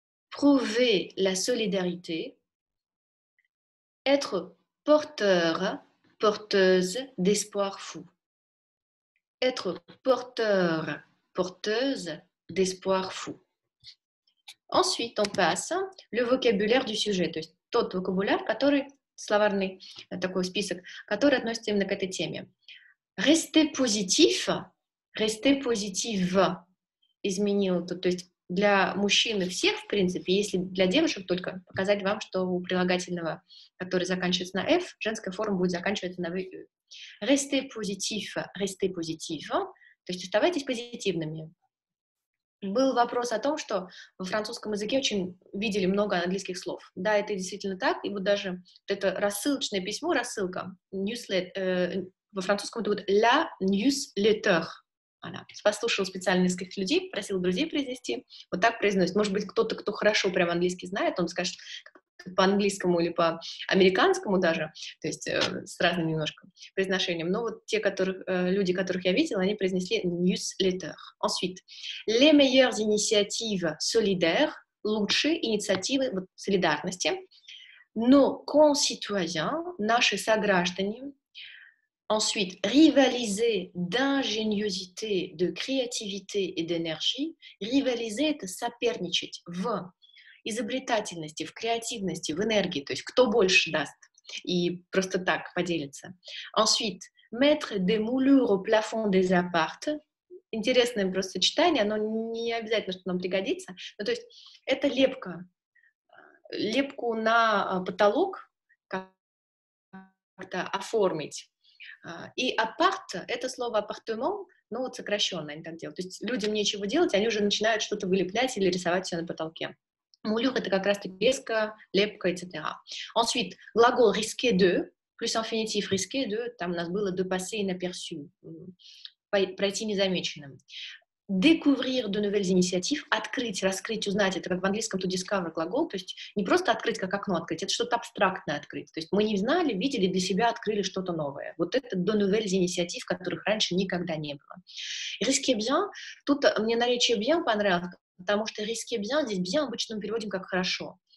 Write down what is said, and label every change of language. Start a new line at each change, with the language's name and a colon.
French: Prouvez la solidarité. Être porteur, porteuse d'espoir fou. Être porteur, porteuse d'espoir fou. Ensuite, on passe le vocabulaire du sujet. Tout vocabulaire, который...
Russian: словарный такой список, который относится именно к этой теме.
French: Rester positif, rester positive,
Russian: изменил тут, то есть для мужчин всех, в принципе, если для девушек только, показать вам, что у прилагательного, который заканчивается на F, женская форма будет заканчиваться на
French: Restez positif,
Russian: то есть оставайтесь позитивными. Был вопрос о том, что во французском языке очень видели много английских слов. Да, это действительно так, и вот даже вот это рассылочное письмо, рассылка, во французском это будет «la newsletter». Она послушала специально нескольких людей, просила друзей произнести, вот так произносит. Может быть, кто-то, кто хорошо прям английский знает, он скажет по-английскому или по-американскому даже, то есть с разным немножко произношением. Но вот те, которых, люди, которых я видела, они произнесли «newsletter».
French: Ensuite, «les meilleures initiatives solidaires» —
Russian: лучшие инициативы вот, солидарности. «Но concitoyens» — наши сограждане.
French: Ensuite, «rivaliser d'ingéniosité, de créativité et d'énergie».
Russian: «Rivaliser» — это соперничать в изобретательности, в креативности, в энергии, то есть кто больше даст и просто так поделится.
French: Ensuite, mettre des moulures au plafond des appartes.
Russian: Интересное просто сочетание, оно не обязательно, что нам пригодится. Но то есть это лепка, лепку на потолок как-то оформить. И апарт, это слово апартемон, ну вот сокращенно они так делают. То есть людям нечего делать, они уже начинают что-то вылеплять или рисовать все на потолке. Moulure, это как раз-таки леска, лепка, etc. Ensuite, глагол risquer de, plus infinitif risquer de, там у нас было
French: de passer inaperçu,
Russian: пройти незамеченным.
French: Découvrir de nouvelles initiatives,
Russian: открыть, раскрыть, узнать, это как в английском to discover глагол, то есть не просто открыть, как окно открыть, это что-то абстрактное открыть. То есть мы не знали, видели, для себя открыли что-то новое. Вот это
French: de nouvelles initiatives,
Russian: которых раньше никогда не было. Risquer bien, тут мне наречие bien понравилось, потому что risquer bien, здесь bien обычно мы переводим как хорошо.